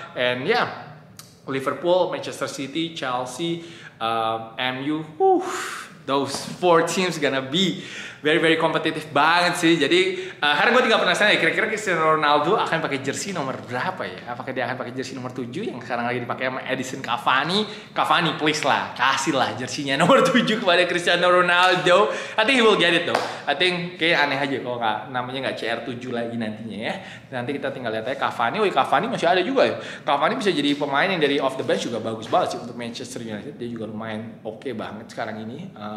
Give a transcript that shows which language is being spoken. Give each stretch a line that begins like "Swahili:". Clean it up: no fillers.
English: And yeah, Liverpool, Manchester City, Chelsea, MU, those four teams gonna be very very competitive
Indonesian: banget sih. Jadi karena gue tinggal penasaran ya, kira-kira Cristiano Ronaldo akan pakai jersey nomor berapa ya? Apakah dia akan pakai jersey nomor 7 yang sekarang lagi dipakai sama Edison Cavani? Cavani please lah, kasihlah jersinya nomor 7 kepada Cristiano Ronaldo.
English: I think he will get it though. I think
Indonesian: kayak aneh aja kalau nggak namanya nggak CR7 lagi nantinya ya. Nanti kita tinggal lihat aja Cavani. Woi Cavani masih ada juga ya. Cavani bisa jadi pemain yang dari
English: off the bench
Indonesian: juga bagus banget sih untuk Manchester United. Dia juga lumayan oke banget sekarang ini.